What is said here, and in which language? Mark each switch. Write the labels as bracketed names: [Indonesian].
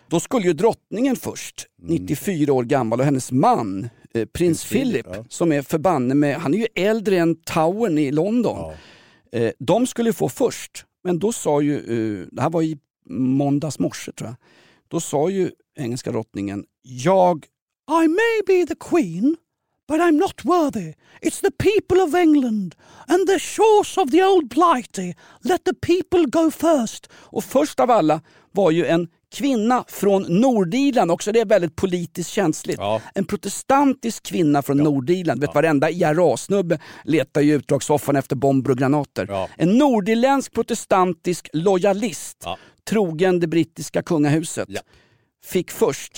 [Swedish] Då skulle ju drottningen först, 94 år gammal, och hennes man, prins Philip, som är förbanne med, han är ju äldre än Towern i London. Ja. De skulle få först, men då sa ju, det här var i måndags morse tror jag, då sa ju engelska drottningen, jag, [English] I may be the queen, but I'm not worthy. It's the people of England and the shores of the old Blighty. Let the people go first. [Swedish] Och först av alla var ju en kvinna från Nordirland också, det är väldigt politiskt känsligt. Ja. En protestantisk kvinna från Nordirland. Vet varenda IRA-snubbe letar ju utdragssoffan efter bomber och granater. Ja. En nordirländsk protestantisk lojalist, trogen det brittiska kungahuset, fick först.